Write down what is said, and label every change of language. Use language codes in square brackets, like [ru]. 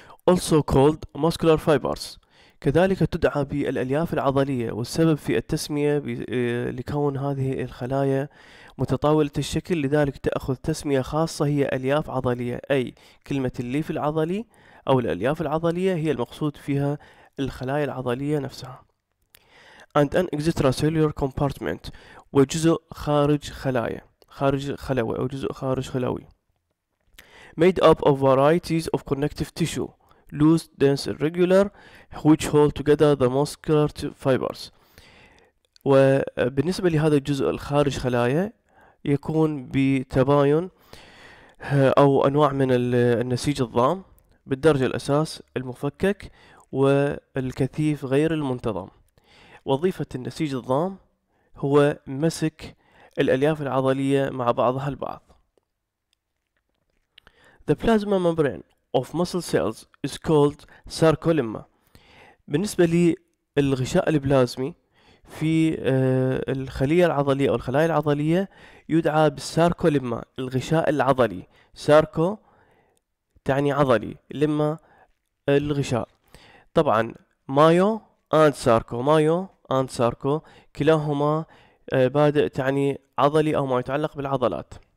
[en] also called muscular fibers، [ar] كذلك تدعى بالألياف العضلية، والسبب في التسمية لكون هذه الخلايا متطاولة الشكل، لذلك تأخذ تسمية خاصة هي ألياف عضلية، أي كلمة الليف العضلي أو الألياف العضلية هي المقصود فيها الخلايا العضلية نفسها. [en] and an extracellular compartment، [ar] وجزء خارج خلايا، خارج خلوي أو جزء خارج خلوي. [en] made up of varieties of connective tissue, loose, dense, irregular, which hold together the muscular fibers. [ar] وبالنسبة لهذا الجزء الخارج خلايا يكون بتباين أو أنواع من النسيج الضام بالدرجة الأساس المفكك والكثيف غير المنتظم. وظيفة النسيج الضام هو مسك الألياف العضلية مع بعضها البعض. [en] The plasma membrane of muscle cells is called sarcolemma. [ar] بالنسبة للغشاء البلازمي في الخلية العضلية أو الخلايا العضلية يدعى بالساركولما، الغشاء العضلي. ساركو تعني عضلي، لما الغشاء. طبعا مايو and sarco، مايو and sarco كلاهما بادئ تعني عضلي أو ما يتعلق بالعضلات.